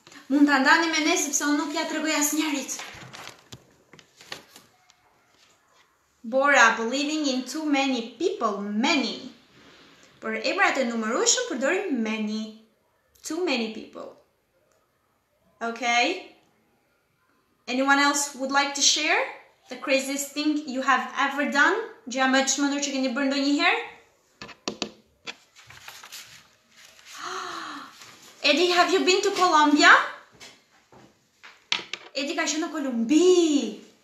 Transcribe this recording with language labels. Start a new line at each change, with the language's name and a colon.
Albanian: Mund të ndani me ne, sepse unë nuk ja të rëgoj asë njerit.
English: Bora, believing in too many people, many.
Albanian: Por emrat e numërushëm përdorim many.
English: Too many people. Okay? Anyone else would like to share the craziest thing you have ever done?
Albanian: Gjëja më e çmendur që keni bërë ndonjëherë?
English: Eddie, have you been to Colombia?
Albanian: Edi ka qenë në Kolumbi.